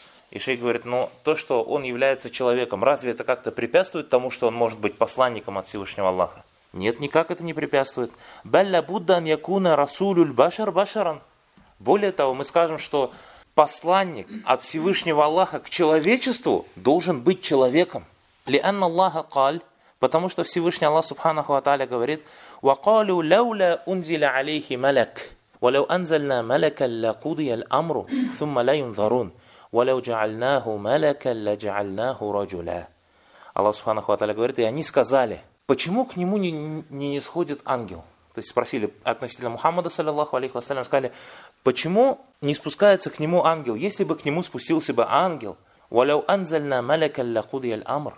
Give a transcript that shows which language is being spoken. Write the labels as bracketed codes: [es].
[ru] И шейх говорит: ну, то, что он является человеком, разве это как-то препятствует тому, что он может быть посланником от Всевышнего Аллаха? Нет, никак это не препятствует. «Балля буддан якуна расулюль башар башаран». Более того, мы скажем, что посланник от Всевышнего Аллаха к человечеству должен быть человеком. [ar] لأن الله قال, [ru] потому что Всевышний Аллах Субханаху ва Тааля говорит: [ar] وقالوا لولا أنزل عليه ملك ولو أنزلنا ملكا لقضي الأمر ثم لا ينظرون ولو جعلناه ملكا لجعلناه رجلا. [ru] Аллах Субханаху ва Тааля говорит, и они сказали: почему к нему не нисходит ангел? То есть спросили относительно Мухаммада саллиллаху алейхи ва саллям, сказали: почему не спускается к нему ангел? Если бы к нему спустился бы ангел, «Валяу анзальна малякал лакудьяль амр».